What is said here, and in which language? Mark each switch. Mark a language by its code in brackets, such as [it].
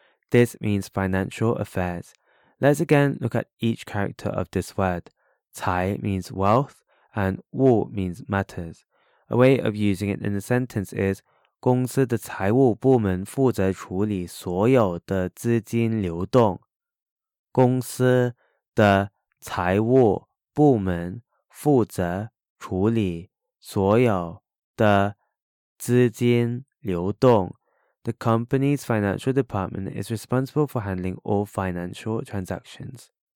[en] This means financial affairs. Let's again look at each character of this word. 財 means wealth and 物 means matters. A way of using it in a sentence is [zh] 公司的財務部門負責處理所有的資金流動。公司的財務部門負責處理所有的资金流动。 [en] The company's financial department is responsible for handling all financial transactions.